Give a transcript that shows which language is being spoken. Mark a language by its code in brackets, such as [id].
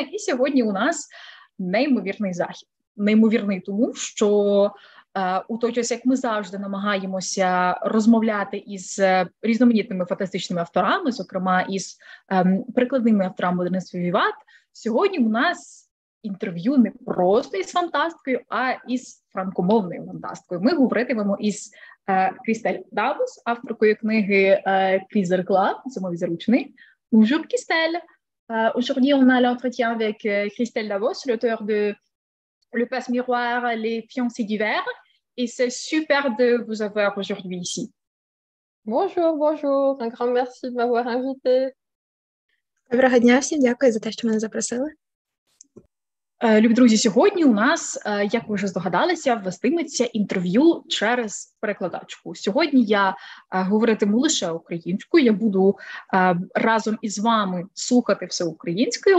[uk] І сьогодні у нас неймовірний захід. Неймовірний тому, що у той час, як ми завжди намагаємося розмовляти із різноманітними фантастичними авторами, зокрема із прикладними авторами Денисові Віват, сьогодні у нас інтерв'ю не просто із фантасткою, а із франкомовною фантасткою. Ми говоритимемо із Крістель Дамус, авторкою книги «Крізь зеркала», «Зимові заручини». Bonjour, Крістель! [fr] Aujourd'hui, on a l'entretien avec Крістель Дамус, l'auteur de Le passe-miroir, les fiancés d'hiver. Et c'est super de vous avoir aujourd'hui ici. Bonjour, bonjour. Un grand merci de m'avoir invité. [uk] Доброго дня всім, дякую за те, що мене запросили. Любі друзі, сьогодні у нас, як ви вже здогадалися, вестиметься інтерв'ю через перекладачку. Сьогодні я говоритиму лише українською, я буду разом із вами слухати все українською.